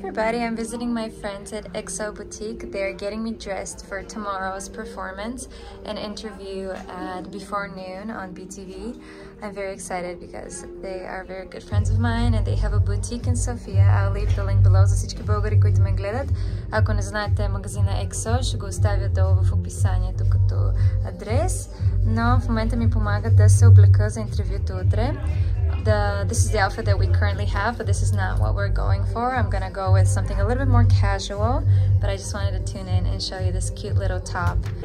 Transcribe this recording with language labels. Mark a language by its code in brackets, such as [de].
[en] I'm visiting my friends at EXO Boutique. They're getting me dressed for tomorrow's performance, an interview at Before Noon on BTV. I'm very excited because they are very good friends of mine and they have a boutique in Sofia. I'll leave the link below [bg] за всички българи, които ме гледат. Ако не знаете магазина EXO, ще го оставя долу в описанието като адрес. Но в момента ми помагат да се облека за интервюто утре. [en] This is the outfit that we currently have, but this is not what we're going for. I'm gonna go with something a little bit more casual, but I just wanted to tune in and show you this cute little top.